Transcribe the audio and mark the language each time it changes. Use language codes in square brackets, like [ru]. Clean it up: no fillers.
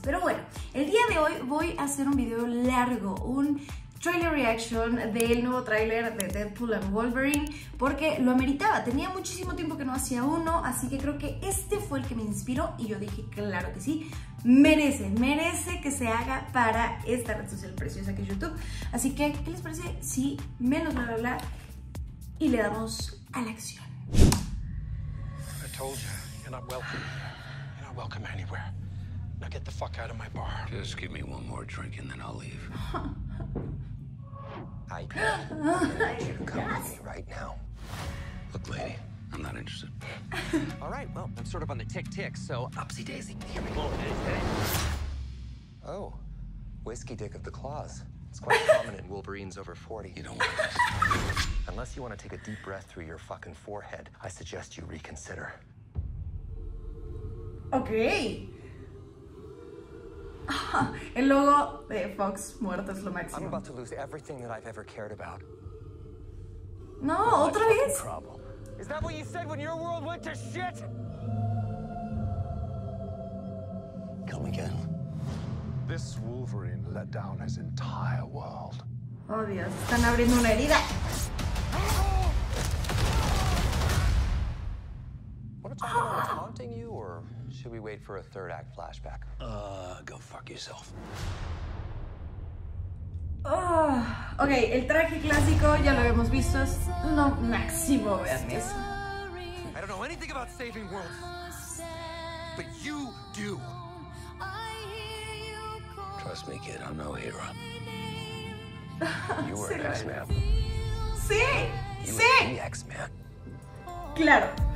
[es] Pero bueno, el día de hoy voy a hacer un video largo, un trailer reaction del nuevo trailer de Deadpool and Wolverine porque lo ameritaba, tenía muchísimo tiempo que no hacía uno, así que creo que este fue el que me inspiró y yo dije, claro que sí, merece que se haga para esta red social preciosa que es YouTube. Así que, ¿qué les parece si menos bla bla bla y le damos a la acción? [en] I told you, you're not welcome. You're not welcome anywhere. Now get the fuck out of my bar. Just give me one more drink and then I'll leave. I need you to come with me right now. Look, lady, I'm not interested. All right, well, I'm sort of on the tick tick, so upsy daisy. Here we go. Oh, whiskey dick of the claws. It's quite common in Wolverines over 40. You don't want this. Unless you want to take a deep breath through your fucking forehead, I suggest you reconsider. Okay. [es] El logo de Fox muerto es lo máximo. [en] I'm about to lose everything that I've ever cared about. [es] No, otra vez. [en] Is that what you said when your world went to shit? Come again. This Wolverine let down his entire world. [es] Oh, Dios, están abriendo una herida. [en] Haunting you, or should we wait for a third act flashback? Go fuck yourself. [es] Oh, okay, el traje clásico ya lo habíamos visto, es lo máximo, veanme eso. [en] I don't know anything about saving worlds, but you do. Trust me, kid, I'm no hero. You were an X-Man. [es] Sí, sí. [en] You were the X-Man. [es] Claro.